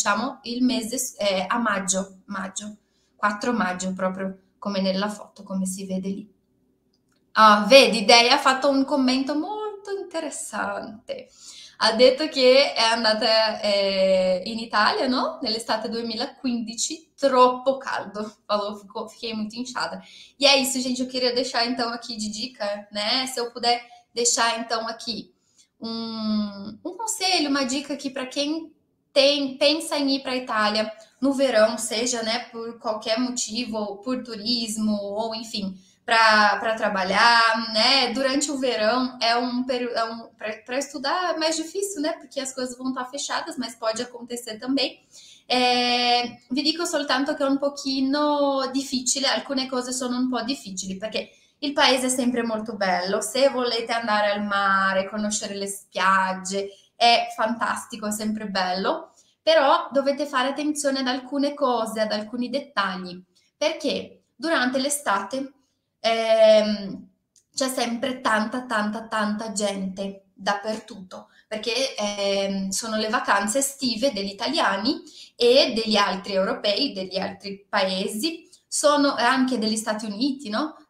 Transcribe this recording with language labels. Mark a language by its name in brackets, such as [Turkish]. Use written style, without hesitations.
[Italian] Diciamo il mese a maggio, 4 maggio, proprio come nella foto, come si vede lì. Ah, vedi, Dei ha fatto un commento molto interessante. Ha detto che è andata in Italia, no? Nell'estate 2015, troppo caldo. [Portuguese] Falou, fiquei muito inchada. E é isso, gente. Eu queria deixar então aqui de dica, né? Se eu puder deixar então aqui um conselho, uma dica aqui para quem pensa em ir para a Itália no verão, seja, né, por qualquer motivo, por turismo ou enfim. Para trabalhar, né? Durante o verão para estudar é mais difícil, né? Porque as coisas vão estar fechadas, mas pode acontecer também. [Italian] Vi dico soltanto che è un pochino difficile, alcune cose sono un po' difficili, perché il paese è sempre molto bello. Se volete andare al mare, conoscere le spiagge, è fantastico, è sempre bello, però dovete fare attenzione ad alcune cose, ad alcuni dettagli, perché durante l'estate c'è sempre tanta, tanta, tanta gente dappertutto, perché sono le vacanze estive degli italiani e degli altri europei, degli altri paesi, sono anche degli Stati Uniti, no?